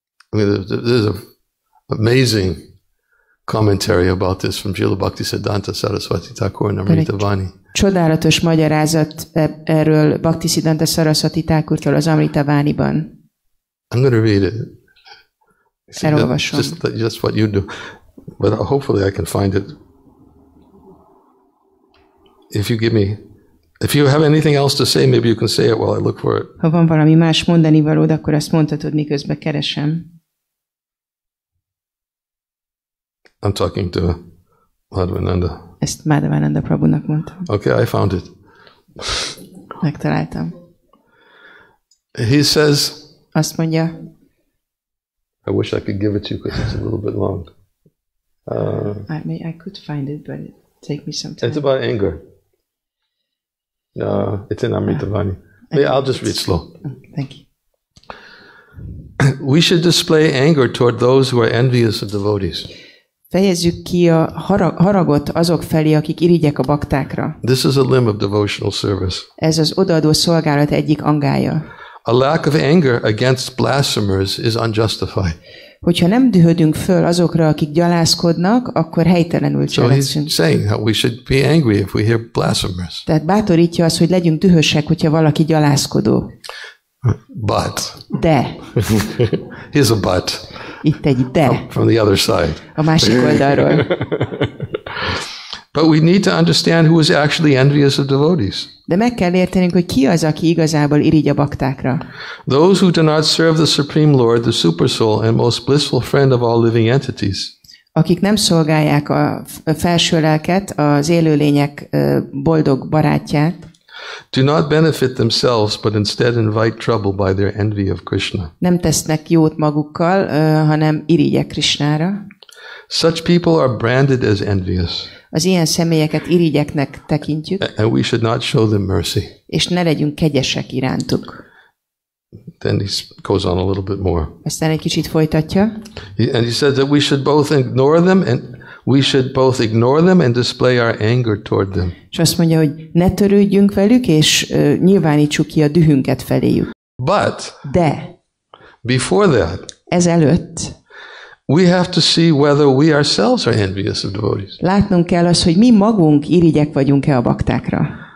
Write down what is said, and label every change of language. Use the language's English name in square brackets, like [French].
[English] There's an amazing commentary about this from Jila Bhaktisiddhanta Saraswati Thakur Amrita Vani. [Hungarian] Csodálatos magyarázat erről Bhaktisiddhanta Saraswati Thakurtól az Amrita Vani-ban. [English] I'm going to read it. [Hungarian] Elolvasom. [English] Just what you do. But hopefully I can find it. If you have anything else to say, maybe you can say it while I look for it. [Hungarian] Ha van valami más mondani valód, akkor azt mondhatod, miközben keresem. [English] I'm talking to Madhavananda. [Hungarian] Ezt Madhavananda Prabhunak mondtam. [English] Okay, I found it. [Hungarian] Megtaláltam. [English] He says, [Hungarian] azt mondja, [English] I wish I could give it to you because it's a little bit long. I could find it, but it take me some time. It's about anger. No, it's in Amrita Vani. I'll just read slow. Thank you. We should display anger toward those who are envious of devotees. [Hungarian] Fejezzük ki a haragot azok felé, akik irigyek a baktákra. [English] This is a limb of devotional service. [Hungarian] Ez az odaadó szolgálat egyik angája. [English] A lack of anger against blasphemers is unjustified. [Hungarian] Hogyha nem dühödünk föl azokra, akik gyalászkodnak, akkor helytelenül cselekszünk. [English] So he's saying that we should be angry if we hear blasphemers. [Hungarian] Tehát bátorítja azt, hogy legyünk dühösek, hogyha valaki gyalászkodó. [English] But. [Hungarian] De. [English] Here's a but. [Hungarian] Itt egy de. [English] From the other side. [Hungarian] A másik oldalról. [English] But we need to understand who is actually envious of devotees. [Hungarian] De meg kell értenünk, hogy ki az, aki igazából irigy a baktákra. [English] Those who do not serve the Supreme Lord, the Supersoul and most blissful friend of all living entities. [Hungarian] Akik nem szolgálják a felső lelket, az élőlények boldog barátját. [English] Do not benefit themselves, but instead invite trouble by their envy of Krishna. [Hungarian] Nem tesznek jót magukkal, hanem irigyek Krishnára. [English] Such people are branded as envious. [Hungarian] Az ilyen személyeket irigyeknek tekintjük. [English] And we should not show them mercy. [Hungarian] És ne legyünk kegyesek irántuk. [English] Then he goes on a little bit more. [Hungarian] Aztán egy kicsit folytatja. [English] And he says that we should both ignore them and we should both ignore them and display our anger toward them. [Hungarian] És azt mondja, hogy ne törődjünk velük és nyilvánítsuk ki a dühünket feléjük. [English] But [Hungarian] de [English] before that. [Hungarian] Ezelőtt. [English] We have to see whether we ourselves are envious of devotees. [Hungarian] Látnunk kell azt, hogy mi magunk irigyek vagyunk-e a baktákra.